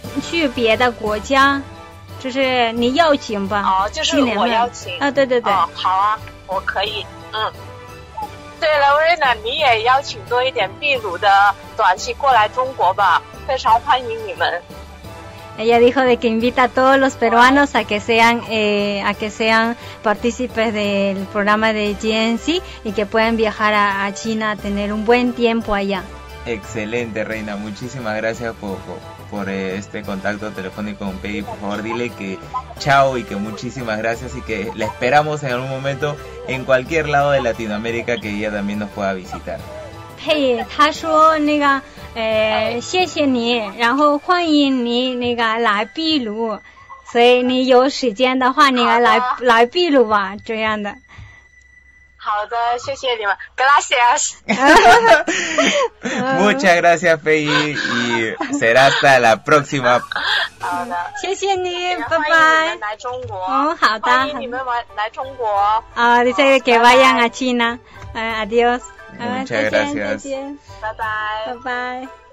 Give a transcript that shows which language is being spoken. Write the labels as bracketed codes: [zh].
[zh] 去别的国家，就是你邀请吧。哦，就是我邀请啊，对对对、哦，好啊，我可以，嗯。对了，瑞娜，你也邀请多一点秘鲁的短期过来中国吧，非常欢迎你们。 [es] Ella dijo de que invita a todos los peruanos a que sean partícipes del programa de GNC y que puedan viajar a China a tener un buen tiempo allá. Excelente, Reina. Muchísimas gracias por este contacto telefónico con Peggy. Por favor, dile que chao y que muchísimas gracias y que la esperamos en algún momento en cualquier lado de Latinoamérica que ella también nos pueda visitar. [zh] Peggy, 他说那个谢谢你，然后欢迎你那个来秘鲁，所以你有时间的话，你来秘鲁吧，这样的。好的，谢谢你们 ， [es] gracias。 Muchas gracias, Fei, y será hasta la próxima。 [zh] 好的，谢谢你，拜拜。来中国。嗯，好的。欢迎你们来中国。 [es] 啊，dice que vayan a China。Adiós。 Muchas gracias. [en] Bye bye.